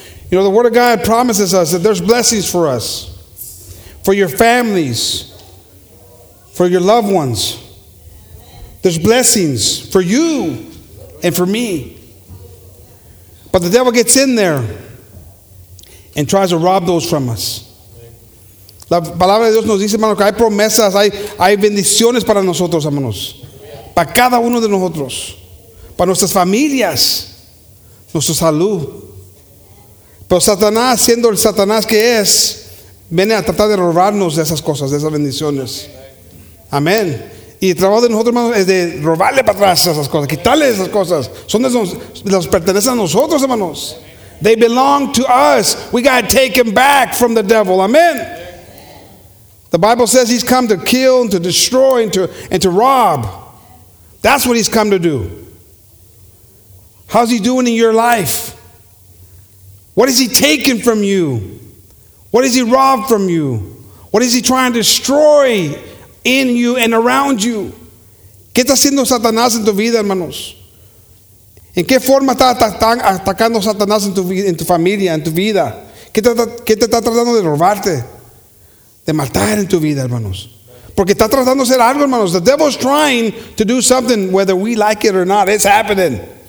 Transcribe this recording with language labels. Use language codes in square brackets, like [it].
[en] You know, the Word of God promises us that there's blessings for us, for your families, for your loved ones. There's blessings for you and for me. But the devil gets in there and tries to rob those from us. [es] La palabra de Dios nos dice, hermano, que hay promesas, hay bendiciones para nosotros, hermanos. Para cada uno de nosotros. Para nuestras familias. Nuestra salud. Pero Satanás, siendo el Satanás que es, viene a tratar de robarnos de esas cosas, de esas bendiciones. Amén. Y el trabajo de nosotros, hermanos, es de robarle para atrás esas cosas, quitarle esas cosas. Son de los pertenecen a nosotros, hermanos. [en] They belong to us. We got to take them back from the devil. Amén. The Bible says he's come to kill and to destroy and to rob. That's what he's come to do. How's he doing in your life? What is he taking from you? What is he robbed from you? What is he trying to destroy in you and around you? [es] ¿Qué está haciendo Satanás en tu vida, hermanos? ¿En qué forma está atacando Satanás en tu familia, en tu vida? ¿Qué te está tratando de robarte? De matar en tu vida, hermanos. Porque está tratando de hacer algo, hermanos. [en] The devil is trying to do something, whether we like it or not. It's happening.